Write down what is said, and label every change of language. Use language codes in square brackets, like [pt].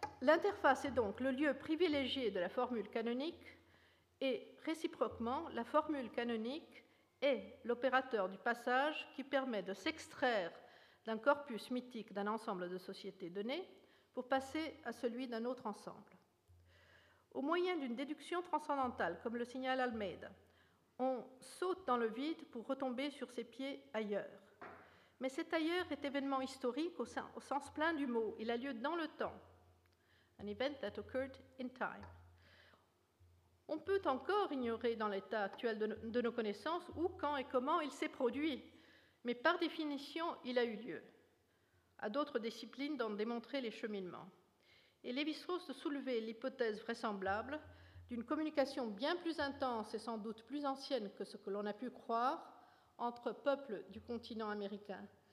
[fr] L'interface est donc le lieu privilégié de la formule canonique, et réciproquement, la formule canonique est l'opérateur du passage qui permet de s'extraire d'un corpus mythique d'un ensemble de sociétés données pour passer à celui d'un autre ensemble. Au moyen d'une déduction transcendantale, comme le signale Almeida, on saute dans le vide pour retomber sur ses pieds ailleurs. Mais cet ailleurs est événement historique au sens plein du mot. Il a lieu dans le temps. [en] An event that occurred in time. [fr] On peut encore ignorer dans l'état actuel de nos connaissances où, quand et comment il s'est produit. Mais par définition, il a eu lieu. À d'autres disciplines d'en démontrer les cheminements. Et Lévi-Strauss de soulever l'hypothèse vraisemblable d'une communication bien plus intense et sans doute plus ancienne que ce que l'on a pu croire entre peuples du continent américain.